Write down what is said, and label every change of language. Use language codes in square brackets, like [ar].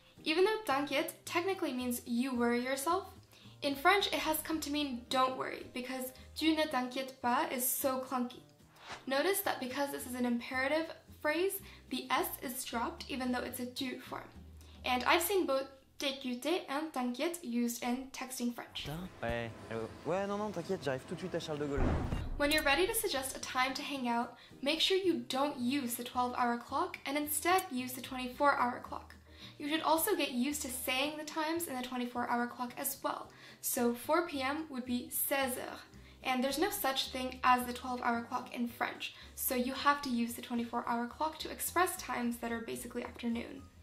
[en] Even though t'inquiète technically means you worry yourself, in French it has come to mean don't worry because [fr] tu ne t'inquiète pas [en] is so clunky. Notice that because this is an imperative phrase, the S is dropped even though it's a tu form. And I've seen both t'écouter and t'inquiète used in texting French. [fr] Ouais, non, t'inquiète, j'arrive tout de suite à Charles de Gaulle. [en] When you're ready to suggest a time to hang out, make sure you don't use the 12-hour clock and instead use the 24-hour clock. You should also get used to saying the times in the 24-hour clock as well. So 4 p.m. would be [fr] 16 heures. [en] And there's no such thing as the 12-hour clock in French, so you have to use the 24-hour clock to express times that are basically afternoon.